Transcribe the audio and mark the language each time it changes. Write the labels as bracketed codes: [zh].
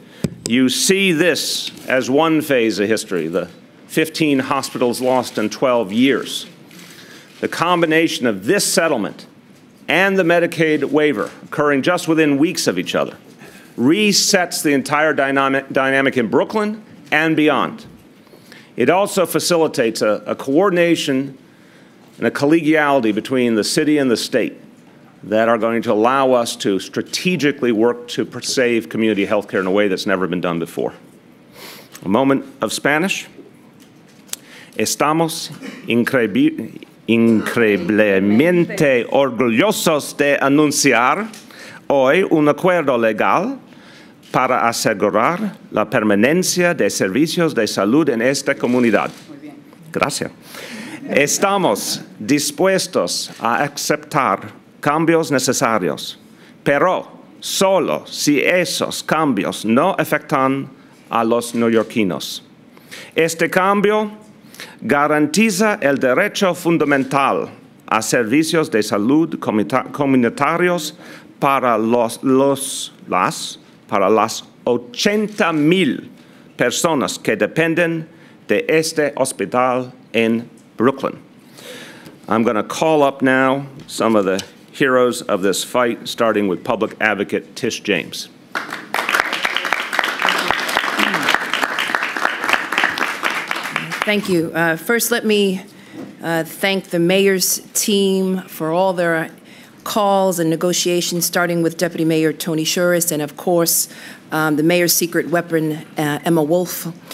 [en] If you see this as one phase of history, the 15 hospitals lost in 12 years, the combination of this settlement and the Medicaid waiver occurring just within weeks of each other resets the entire dynamic in Brooklyn and beyond. It also facilitates a coordination and a collegiality between the city and the state that are going to allow us to strategically work to save community health care in a way that's never been done before. A moment of Spanish. [es] Estamos increíblemente orgullosos de anunciar hoy un acuerdo legal para asegurar la permanencia de servicios de salud en esta comunidad. Gracias. Estamos dispuestos a aceptar cambios necesarios, pero solo si esos cambios no afectan a los neoyorquinos. Este cambio garantiza el derecho fundamental a servicios de salud comunitarios para las 80,000 personas que dependen de este hospital en Brooklyn. [en] I'm going to call up now some of the heroes of this fight, starting with public advocate Tish James. Thank you. First, let me thank the mayor's team for all their calls and negotiations, starting with Deputy Mayor Tony Shuris and, of course, the mayor's secret weapon, Emma Wolf.